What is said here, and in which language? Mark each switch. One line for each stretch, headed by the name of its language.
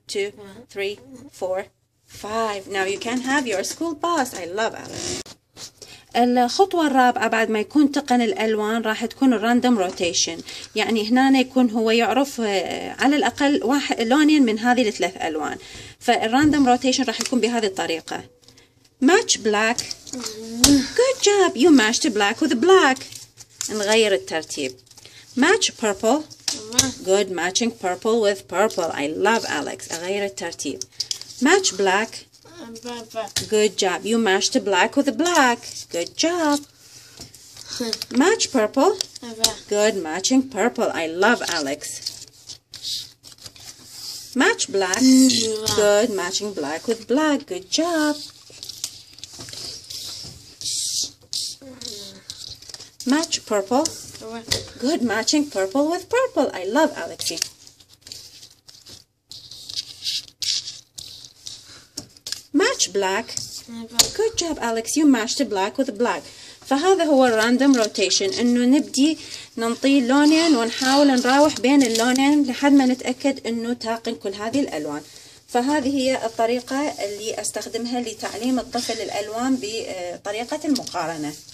English: 1, 2, 3, 4, 5. Now you can have your school bus. I love Alex.
Arabic: الخطوة الرابعة بعد ما يكون تقن الألوان راح تكون random rotation، يعني هنا يكون هو يعرف على الأقل واحد لونين من هذه الثلاث ألوان. فالراندوم روتيشن راح يكون بهذه الطريقة.
English: Match black. Good job. You matched black with black.
Arabic: نغير الترتيب.
English: Match purple. Good matching purple with purple. I love Alex.
Arabic: أغير الترتيب.
English: Match black. Good job. You matched black with black. Good job. Match purple. Ava. Good, matching purple. I love Alex. Match black. Ava. Good, matching black with black. Good job. Match purple. Ava. Good, matching purple with purple. I love Alexi. Match black. Ava. Good job, Alex. You matched the black with black.
Arabic: فهذا هو الراندوم روتيشن، انه نبدي ننطي لونين ونحاول نراوح بين اللونين لحد ما نتاكد انه تاقن كل هذه الالوان. فهذه هي الطريقه اللي استخدمها لتعليم الطفل الالوان بطريقه المقارنه.